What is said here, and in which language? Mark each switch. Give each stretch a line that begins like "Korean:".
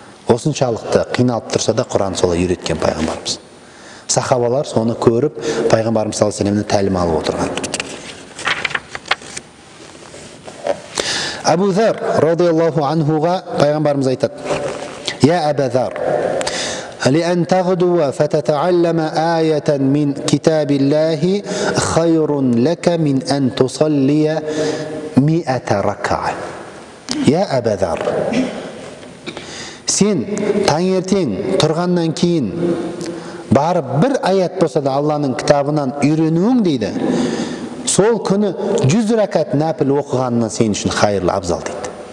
Kazakh: Осыншалықты қиналып тұрса да Құран солай үйреткен пайғамбарымыз. Сахабалар соны көріп, пайғамбарымыз саллаллаху алейхи уассаламның тәлімін алып отырған. Абу Зар радийаллаху анхуға пайғамбарымыз айтады. Я Абу Зар,
Arabic: لأن تغدو فتتعلم آية من كتاب الله خير لك من أن تصلي 100 ركعة.
Kazakh: Я Абу Зар. Сен таңертең тұрғаннан кейін барып бір аят болса да Алланың кітабынан үйренуің дейді. Сол күні 100 рәкат нәпіл оқығанына сен үшін хайырлы абзал дейді.